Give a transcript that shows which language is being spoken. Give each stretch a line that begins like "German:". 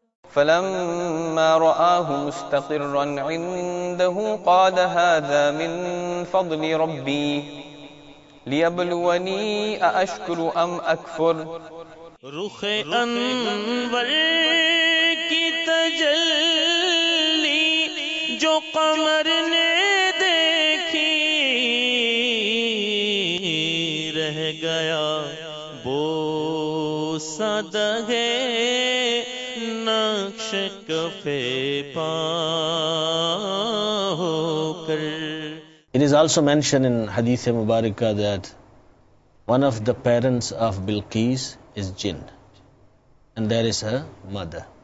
Arabic: فلما رآه مستقرا عنده قال هذا من فضل ربي ليبلوني أأشكر أم أكفر
Urdu: رخ انور کی تجلی جو قمر نے دیکھی رہ گیا بوسا دہے نقش کفے پا ہو کر.
English: It is also mentioned in Hadith Mubarakah that one of the parents of Bilqis is jinn and there is her mother.